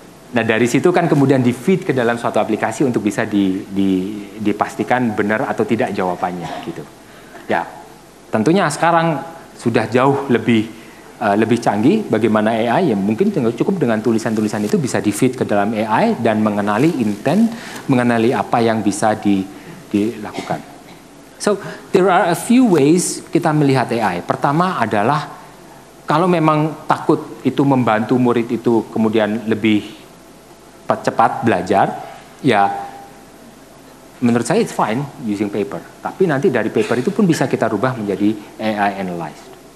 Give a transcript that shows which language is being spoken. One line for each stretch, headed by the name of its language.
Indonesian: Nah, dari situ kan kemudian di-feed ke dalam suatu aplikasi untuk bisa dipastikan benar atau tidak jawabannya gitu. Ya. Tentunya sekarang sudah jauh lebih canggih bagaimana AI ya, mungkin cukup dengan tulisan-tulisan itu bisa di-feed ke dalam AI dan mengenali intent, mengenali apa yang bisa dilakukan.
English: So, there are a few ways kita melihat AI.
Indonesian: Pertama adalah kalau memang takut itu membantu murid itu kemudian lebih cepat belajar, ya menurut saya it's fine using paper. Tapi nanti dari paper itu pun bisa kita rubah menjadi AI analyzed.